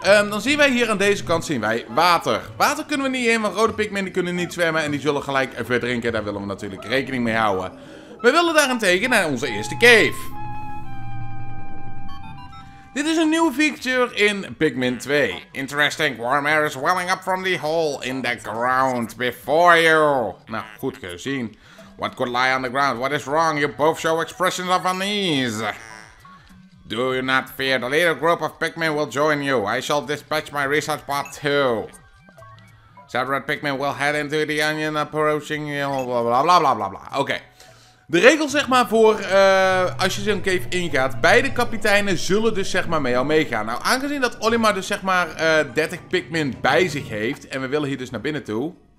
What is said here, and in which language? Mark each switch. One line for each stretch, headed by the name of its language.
Dutch: Dan zien wij hier aan deze kant zien wij water. Water kunnen we niet in, want rode Pikmin die kunnen niet zwemmen en die zullen gelijk verdrinken. Daar willen we natuurlijk rekening mee houden. We willen daarentegen naar onze eerste cave. Dit is een nieuwe feature in Pikmin 2.
English: Interesting, warm air is welling up from the hole in the ground before you.
Dutch: Nou, goed gezien.
English: What could lie on the ground? What is wrong? You both show expressions of unease. Do you not fear? The little group of Pikmin will join you. I shall dispatch my research part too. Separate Pikmin will head into the onion approaching you. Blah, blah, blah, blah, blah, blah. Okay.
Dutch: De regel zeg maar voor als je zo'n cave ingaat, beide kapiteinen zullen dus zeg maar met jou meegaan. Nou, aangezien dat Olimar dus zeg maar 30 Pikmin bij zich heeft en we willen hier dus naar binnen toe.